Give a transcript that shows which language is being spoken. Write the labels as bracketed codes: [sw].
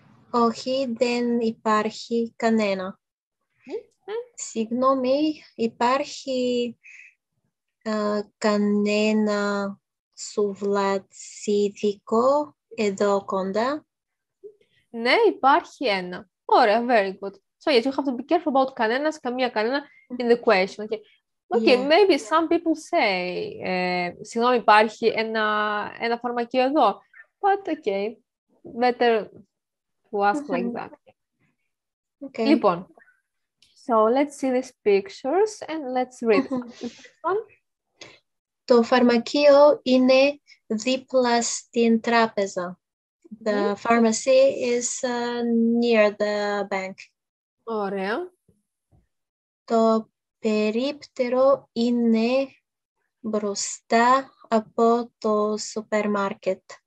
[el] Όχι, δεν υπάρχει κανένα. Συγγνώμη, υπάρχει κανένα σουβλατσίδικο εδώ κοντά? Ναι, υπάρχει ένα. Ωραία, [en] very good. So, yes, you have to be careful about [el] κανένας, καμία, κανένα [en] in the question. Okay, okay, yeah. Maybe some people say, [el] συγγνώμη, υπάρχει ένα φαρμακείο εδώ. [en] But, okay, better to ask mm-hmm. like that. Okay. [el] Λοιπόν, [en] so let's see these pictures and let's read mm-hmm. [el] Το φαρμακείο είναι δίπλα στην τράπεζα. [en] The mm-hmm. pharmacy is near the bank. [el] Ωραία. Το περίπτερο είναι μπροστά από το σούπερ μάρκετ.